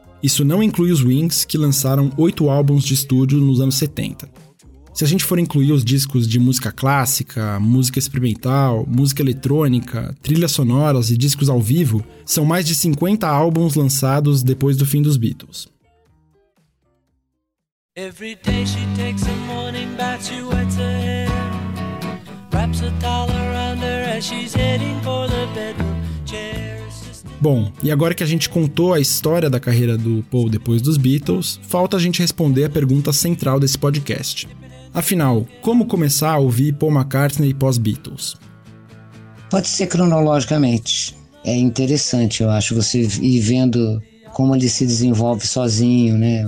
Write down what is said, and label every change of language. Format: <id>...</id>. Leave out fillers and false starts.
<pt>Isso não inclui os Wings, que lançaram 8 álbuns de estúdio nos anos 70. Se a gente for incluir os discos de música clássica, música experimental, música eletrônica, trilhas sonoras e discos ao vivo, são mais de 50 álbuns lançados depois do fim dos Beatles.</pt> <en>Every day she takes a morning bath, she wets her hair, wraps a towel around her as she's heading for the bedroom chair.</en> <pt>Bom, e agora que a gente contou a história da carreira do Paul depois dos Beatles, falta a gente responder a pergunta central desse podcast. Afinal, como começar a ouvir Paul McCartney pós-Beatles? Pode ser cronologicamente. É interessante, eu acho, você ir vendo como ele se desenvolve sozinho, né?</pt>